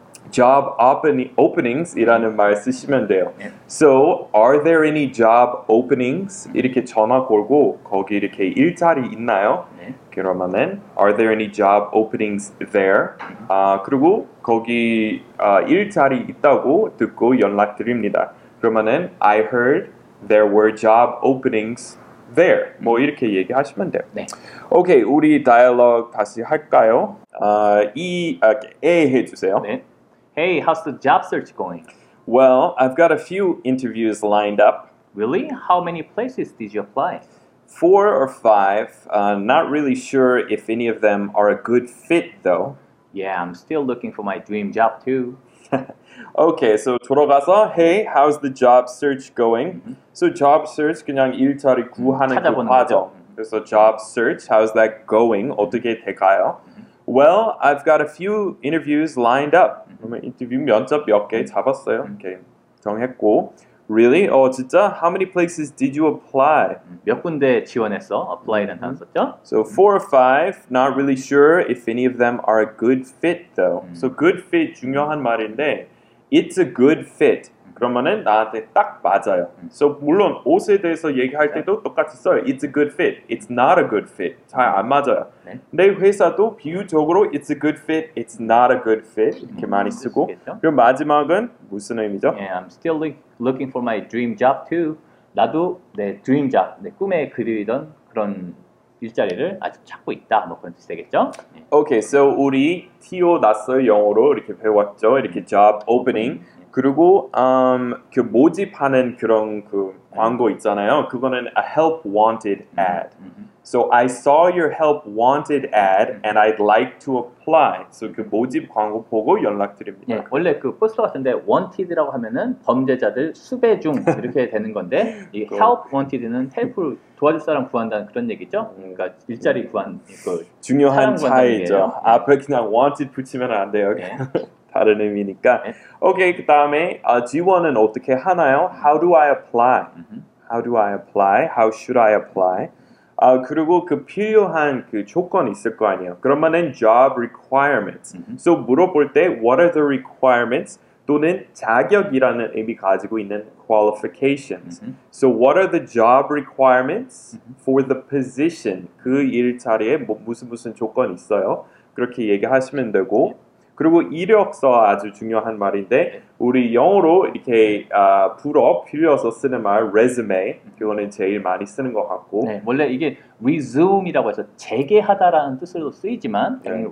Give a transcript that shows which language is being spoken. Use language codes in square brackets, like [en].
[ko] job openings 이라는 말 쓰시면 돼요. [en] So, are there any job openings? [ko] 이렇게 전화 걸고 거기 이렇게 일자리 있나요? 그러면은 [en] are there any job openings there? [ko] 아, 그리고 거기 아, 일자리 있다고 듣고 연락드립니다. 그러면은 [en] I heard there were job openings there. [ko] 뭐 이렇게 얘기하시면 돼요. 네. 오케이, 우리 다이얼로그 다시 할까요? 아, 이 아, A 해주세요. [en] 네. Hey, how's the job search going? Well, I've got a few interviews lined up. Really? How many places did you apply? 4 or 5. Not really sure if any of them are a good fit, though. Yeah, I'm still looking for my dream job, too. Okay, so [ko] 돌아가서, [en] hey, how's the job search going? [ko] Mm-hmm. So job search, 그냥 일자리 구하는 그 과정. [en] So job search, how's that going? [ko] 어떻게 될까요? [en] Well, I've got a few interviews lined up. [ko] 그러면 인터뷰 면접 몇 개 잡았어요. 이렇게 정했고. [en] Really? [ko] 어, 진짜? [en] How many places did you apply? [ko] 몇 군데 지원했어? Apply라는 단어 썼죠? [en] So, 4 or 5. Not really sure if any of them are a good fit, though. So, good fit, [ko] 중요한 말인데, [en] it's a good fit. [ko] 그러면은 나한테 딱 맞아요. So, 물론 옷에 대해서 얘기할 때도 똑같이 써요. [en] It's a good fit. It's not a good fit. [ko] 잘 안 맞아요. 네. 내 회사도 비유적으로 [en] It's a good fit. It's not a good fit. [ko] 이렇게 많이 쓰고. 그리고 마지막은 무슨 의미죠? [en] Yeah, I'm still looking for my dream job too. [ko] 나도 내 dream job, 내 꿈에 그리던 그런 일자리를 아직 찾고 있다. 뭐 그런 뜻이 되겠죠? Okay, so 우리 TO 났어요. 영어로 이렇게 배웠죠. 이렇게 job opening. 그리고 그 모집하는 그런 그 광고 있잖아요. 그거는 [en] a help wanted ad. So I saw your help wanted ad and I'd like to apply. [ko] So 그 모집 광고 보고 연락드립니다. 네, 원래 그 포스터 같은데 wanted라고 하면은 범죄자들 수배 중 이렇게 되는 건데 이 help wanted는 help을 도와줄 사람 구한다는 그런 얘기죠. 그러니까 일자리 구한 그 중요한 차이죠. 앞에 그냥 wanted 붙이면 안 돼요. 네. 다른 의미니까. 네. 오케이, 그 다음에 지원은 어떻게 하나요? [en] How do I apply? How do I apply? How should I apply? [ko] 그리고 그 필요한 그 조건이 있을 거 아니에요. [en] 그러면은 job requirements. So [ko] 물어볼 때 [en] what are the requirements? [ko] 또는 자격이라는 의미 가지고 있는 qualifications. [en] So what are the job requirements for the position? [ko] 그 일자리에 뭐, 무슨 무슨 조건이 있어요? 그렇게 얘기하시면 되고 그리고 이력서 아주 중요한 말인데 우리 영어로 이렇게 불어 필요해서 쓰는 말 resume 그거는 제일 많이 쓰는 것 같고 네, 원래 이게 resume이라고 해서 재개하다라는 뜻으로 쓰이지만 네.